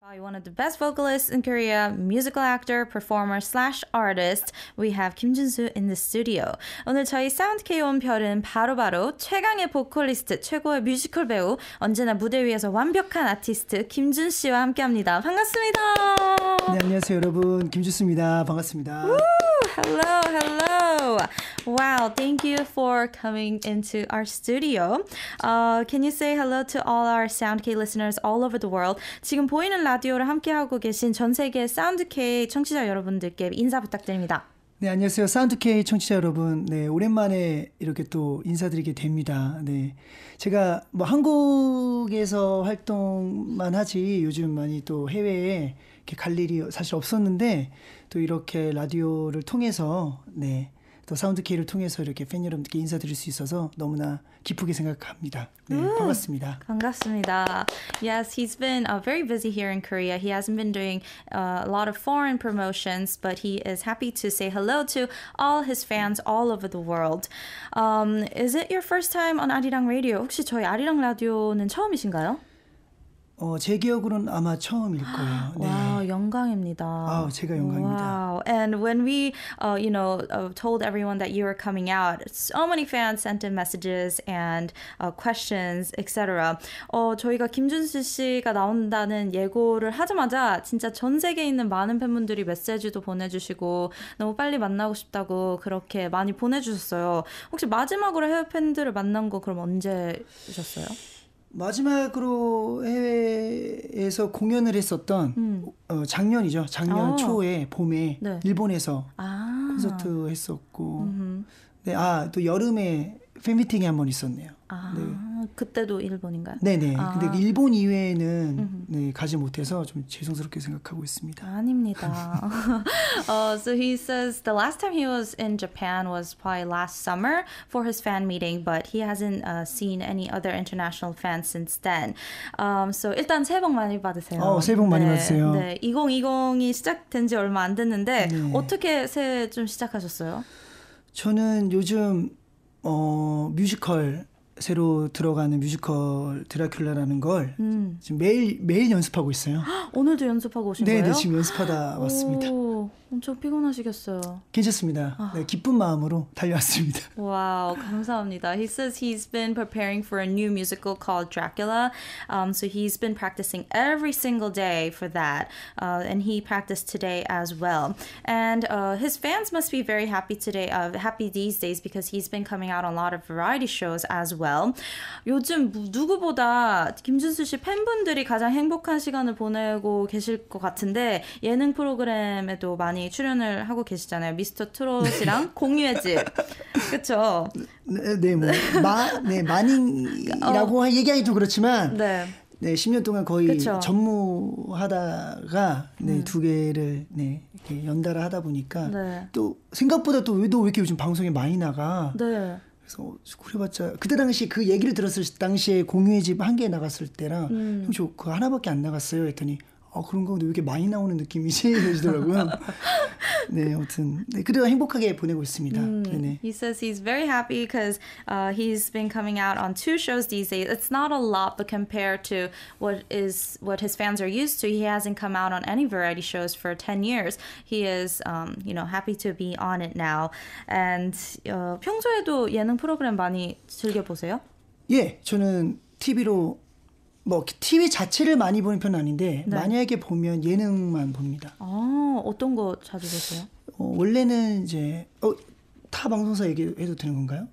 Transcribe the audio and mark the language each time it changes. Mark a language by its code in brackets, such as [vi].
[en] One of the best vocalists in Korea, musical actor, performer, slash artist, we have Kim Jun-su in the studio. [ko] 오늘 저희 사운드 K-1 별은 바로 최강의 보컬리스트, 최고의 뮤지컬 배우, 언제나 무대 위에서 완벽한 아티스트 김준 씨와 함께합니다. 반갑습니다. 네, 안녕하세요 여러분. 김준수입니다. 반갑습니다. [en] Hello, hello. Wow, thank you for coming into our studio. Can you say hello to all our SoundK listeners all over the world? [ko] 지금 보이는 라디오를 함께하고 계신 전 세계 SoundK 청취자 여러분들께 인사 부탁드립니다. 네, 안녕하세요. SoundK 청취자 여러분. 네, 오랜만에 이렇게 또 인사드리게 됩니다. 네. 제가 뭐 한국에서 활동만 하지 요즘 많이 또 해외에 이렇게 갈 일이 사실 없었는데 또 이렇게 라디오를 통해서 네 또 사운드K를 통해서 이렇게 팬 여러분께 인사드릴 수 있어서 너무나 기쁘게 생각합니다. 네, 반갑습니다. 반갑습니다. [en] Yes, he's been very busy here in Korea. He hasn't been doing a lot of foreign promotions, but he is happy to say hello to all his fans all over the world. Is it your first time on Arirang Radio? [ko] 혹시 저희 아리랑 라디오는 처음이신가요? 제 기억으로는 아마 처음일 거예요. 네. 와우, 영광입니다. 아우, 제가 영광입니다. [en] Wow. And when we, you know, told everyone that you were coming out, so many fans sent in messages and questions, etc. [ko] 저희가 김준수 씨가 나온다는 예고를 하자마자 진짜 전 세계에 있는 많은 팬분들이 메시지도 보내주시고 너무 빨리 만나고 싶다고 그렇게 많이 보내주셨어요. 혹시 마지막으로 해외 팬들을 만난 거 그럼 언제셨어요? 마지막으로 해외에서 공연을 했었던 작년이죠. 작년 초에 봄에 네. 일본에서 콘서트 했었고 네, 아, 또 여름에 팬미팅이 한번 있었네요. 네. 그때도 일본인가요? 네네. 근데 일본 이외에는 네, 가지 못해서 좀 죄송스럽게 생각하고 있습니다. 아닙니다. [en] so he says the last time he was in Japan was probably last summer for his fan meeting, but he hasn't seen any other international fans since then. [ko] So 일단 새해 복 많이 받으세요. 새해 복 많이 네, 받으세요. 네, 2020이 시작된 지 얼마 안 됐는데 네. 어떻게 새해 좀 시작하셨어요? 저는 요즘 뮤지컬 새로 들어가는 뮤지컬 드라큘라라는 걸 지금 매일 연습하고 있어요. 오늘도 연습하고 오신 거예요? 네, 지금 연습하다 왔습니다. 엄청 피곤하시겠어요. 괜찮습니다. 네, 기쁜 마음으로 달려왔습니다. 와우, 감사합니다. [en] He says he's been preparing for a new musical called Dracula. So he's been practicing every single day for that. And he practiced today as well. And his fans must be very happy today, happy these days because he's been coming out on a lot of variety shows as well. [ko] 요즘 누구보다 김준수 씨 팬분들이 가장 행복한 시간을 보내고 계실 것 같은데 예능 프로그램에도 많이 출연을 하고 계시잖아요. 미스터 트롯이랑 네. 공유의 집. 그렇죠? 네, 마닝이라고 얘기하기도 그렇지만 네. 네, 10년 동안 거의 그쵸? 전무하다가 네, 두 개를 네, 이렇게 연달아 하다 보니까 네. 또 생각보다 또 왜 이렇게 요즘 방송에 많이 나가? 네. 그래서 그래봤자 그때 당시 그 얘기를 들었을 당시에 공유의 집 한 개 나갔을 때랑 형 저 그 하나밖에 안 나갔어요 했더니 그런 건데 왜 이렇게 많이 나오는 느낌이지? 이러시더라고요. 네, 아무튼 네, 그래도 행복하게 보내고 있습니다. [en] He says he's very happy because he's been coming out on two shows these days. It's not a lot, but compared to what his fans are used to, he hasn't come out on any variety shows for 10 years. He is, you know, happy to be on it now. [ko] And 평소에도 예능 프로그램 많이 즐겨보세요? 예, 저는 TV로 뭐 TV 자체를 많이 보는 편은 아닌데 네. 만약에 보면 예능만 봅니다. 어떤 거 자주 보세요? 원래는 이제 타 방송사 얘기해도 되는 건가요?